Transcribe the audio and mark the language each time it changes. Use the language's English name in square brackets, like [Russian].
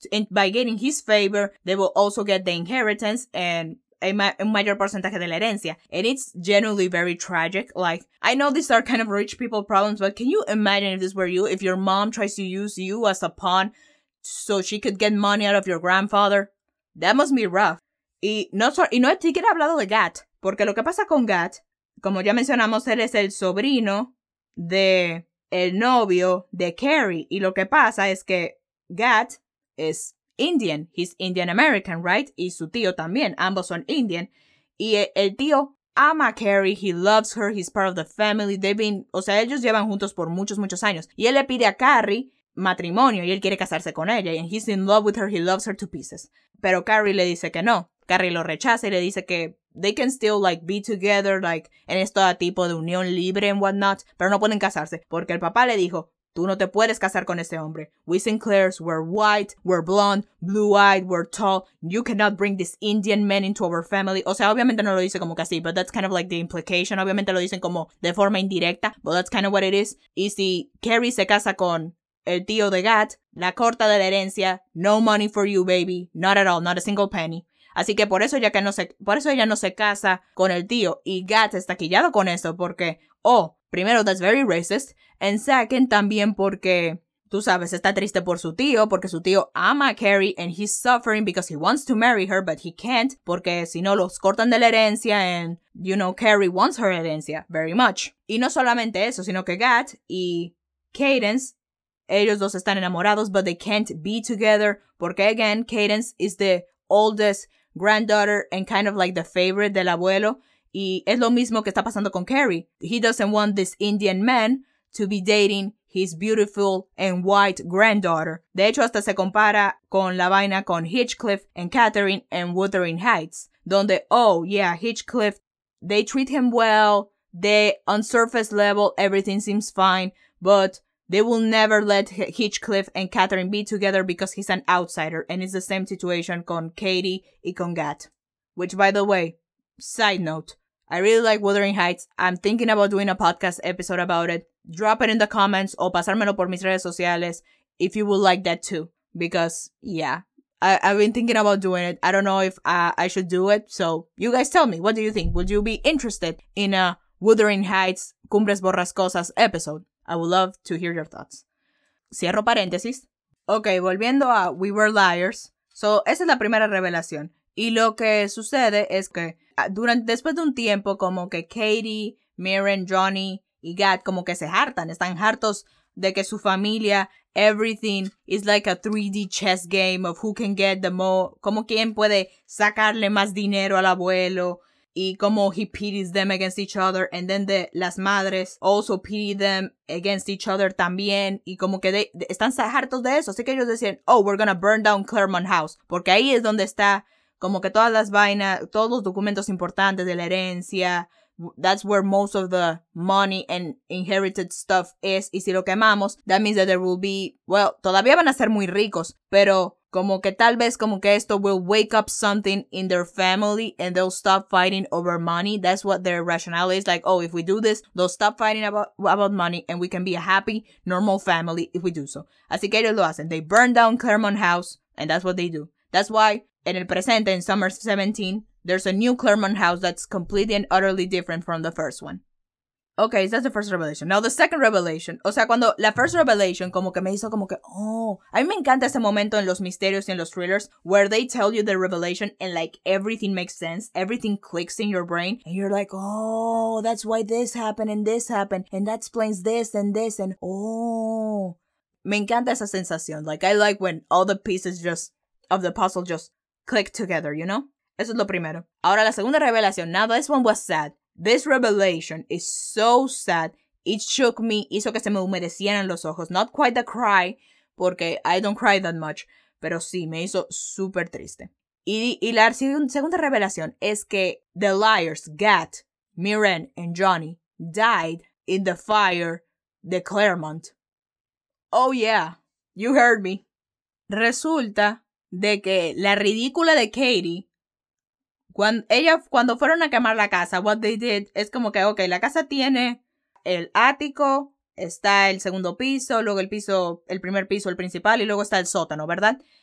[English] And by gaining his favor, they will also get the inheritance and a [Spanish] mayor porcentaje de la herencia. [English] And it's genuinely very tragic. Like, I know these are kind of rich people problems, but can you imagine if this were you, if your mom tries to use you as a pawn so she could get money out of your grandfather? That must be rough. [Spanish] Y no he siquiera hablado de Gat, porque lo que pasa con Gat, como ya mencionamos, él es el sobrino de el novio de Carrie. Y lo que pasa es que Gat es [English] Indian, he's Indian American, right? [Spanish] Y su tío también, ambos son Indian. Y el tío ama a Carrie, [English] he loves her, he's part of the family. [Spanish] Ellos llevan juntos por muchos, muchos años. Y él le pide a Carrie matrimonio y él quiere casarse con ella. [English] And he's in love with her, he loves her to pieces. [Spanish] Pero Carrie le dice que no. Carrie lo rechaza y le dice que [English] they can still, like, be together, like, [Spanish] en este tipo de unión libre [English] and whatnot. [Spanish] Pero no pueden casarse porque el papá le dijo, tú no te puedes casar con ese hombre. [English] We Sinclairs, we're white, we're blonde, blue-eyed, we're tall. You cannot bring this Indian man into our family. O sea, obviamente no lo dice como que así, but that's kind of like the implication. Obviamente lo dicen como de forma indirecta, but that's kind of what it is. [Spanish] Y si Carrie se casa con el tío de Gat, la corta de la herencia, [English] no money for you, baby. Not at all, not a single penny. [Spanish] Así que por eso ella no se casa con el tío. Y Gat está quillado con eso porque, oh, primero, [English] that's very racist. And second, [Spanish] también porque, tú sabes, está triste por su tío, porque su tío ama a Carrie [English] and he's suffering because he wants to marry her, but he can't, [Spanish] porque si no los cortan de la herencia [English] and, you know, Carrie wants her [Spanish] herencia [English] very much. [Spanish] Y no solamente eso, sino que Gat y Cadence, ellos dos están enamorados, [English] but they can't be together, porque, again, Cadence is the oldest granddaughter and kind of like the favorite [Spanish] del abuelo. Y es lo mismo que está pasando con Carrie. [English] He doesn't want this Indian man to be dating his beautiful and white granddaughter. [Spanish] De hecho, hasta se compara con la vaina con Hitchcliff and Catherine and Wuthering Heights. Donde, [English] oh, yeah, Hitchcliff, they treat him well. They, on surface level, everything seems fine. But they will never let Hitchcliff and Catherine be together because he's an outsider. And it's the same situation [Spanish] con Katie y con Gat. [English] Which, by the way, side note, I really like Wuthering Heights. I'm thinking about doing a podcast episode about it. Drop it in the comments [Spanish] o pasármelo por mis redes sociales [English] if you would like that too. Because, yeah, I've been thinking about doing it. I don't know if I should do it. So, you guys tell me. What do you think? Would you be interested in a Wuthering Heights Cumbres Borrascosas episode? I would love to hear your thoughts. [Spanish] Cierro paréntesis. Okay, volviendo a We Were Liars. So, esa es la primera revelación. Y lo que sucede es que después de un tiempo, como que Katie, Mirren, Johnny y Gad como que se hartan. Están hartos de que su familia, [English] everything is like a 3D chess game of who can get the more, [Spanish] como quien puede sacarle más dinero al abuelo. Y como [English] he pities them against each other. And then [Spanish] las madres [English] also pity them against each other [Spanish] también. Y como que están hartos de eso. Así que ellos decían, [English] oh, we're gonna burn down Claremont House. [Spanish] Porque ahí es donde está como que todas las vainas, todos los documentos importantes de la herencia. [English] That's where most of the money and inherited stuff is. [Spanish] Y si lo quemamos, [English] that means that there will be, well, [Spanish] todavía van a ser muy ricos, pero como que tal vez como que esto [English] will wake up something in their family and they'll stop fighting over money. That's what their rationale is. Like, oh, if we do this, they'll stop fighting about money and we can be a happy, normal family if we do so. [Spanish] Así que ellos lo hacen. [English] They burn down Claremont House and that's what they do. That's why in [Spanish] el presente, [English] in summer 17, there's a new Claremont House that's completely and utterly different from the first one. Okay, so that's the first revelation. Now, the second revelation. [Spanish] O sea, cuando la [English] first revelation [Spanish] como que me hizo como que, oh. A mí me encanta ese momento en los misterios y en los thrillers [English] where they tell you the revelation and like everything makes sense. Everything clicks in your brain. And you're like, oh, that's why this happened. And that explains this and this and oh. [Spanish] Me encanta esa sensación. [English] Like, I like when all the pieces just of the puzzle just click together, you know? [Spanish] Eso es lo primero. Ahora, la segunda revelación. [English] Now, this one was sad. This revelation is so sad. It shook me. [Spanish] Hizo que se me humedecieran los ojos. [English] Not quite the cry, [Spanish] porque [English] I don't cry that much. [Spanish] Pero sí, me hizo súper triste. Y la segunda revelación es que [English] the liars, Gat, Mirren, and Johnny, died in the fire, the Claremont. Oh, yeah. You heard me. [Spanish] Resulta de que la ridícula de Katie, cuando fueron a quemar la casa, [English] what they did [Spanish] es como que, okay, la casa tiene el ático, está el segundo piso, luego el primer piso, el principal, y luego está el sótano, ¿verdad?